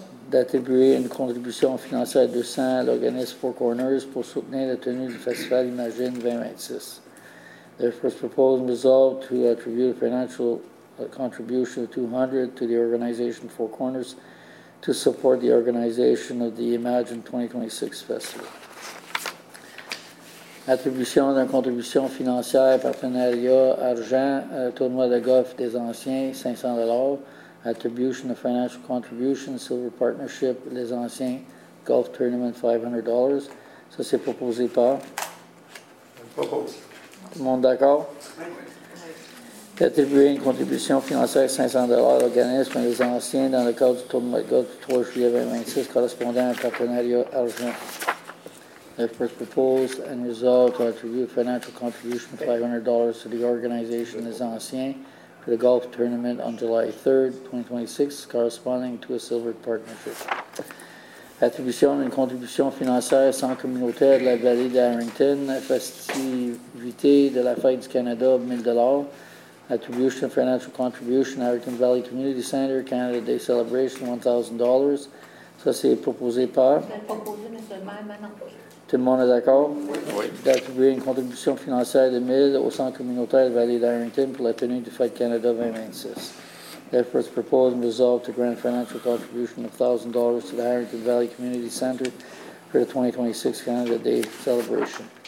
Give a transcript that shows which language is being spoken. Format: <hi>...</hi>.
<fr>D'attribuer une contribution financière de 200 à l'organisme Four Corners pour soutenir la tenue du festival Imagine 2026.</fr> <en>Therefore, proposed resolve to attribute a financial contribution of $200 to the organization Four Corners to support the organization of the Imagine 2026 Festival.</en> <fr>Attribution d'une contribution financière, partenariat, argent, tournoi de golf des anciens, $500.</fr> <en>Attribution of financial contribution, silver partnership, les anciens, golf tournament, $500.</en> <fr>Ça, c'est proposé par? Propose. Tout le monde d'accord? Attribuer une contribution financière de $500 à l'organisme des anciens dans le cadre du tournoi de golf du 3 juillet 2026 correspondant à un partenariat argent.</fr> <en>The first proposed and resolved to attribute financial contribution of $500 to the organization des anciens for the golf tournament on July 3, 2026, corresponding to a silver partnership.</en> <fr>Attribution d'une contribution financière sans communautaire de la vallée d'Arrington, festivité de la fête du Canada, $1,000.</fr> <en>Attribution of financial contribution, Arrington Valley Community Center, Canada Day Celebration, $1,000.</en> <fr>Ça, c'est proposé par? C'est proposé, mais seulement maintenant. Tout le monde est d'accord? Oui. D'attribuer une contribution financière de $1,000 au Centre communautaire de Valley d'Arrington pour la tenue du Fête Canada 2026.</fr> <en>Therefore, it's proposed and resolved to grant financial contribution of $1,000 to the Arrington Valley Community Center for the 2026 Canada Day Celebration.</en>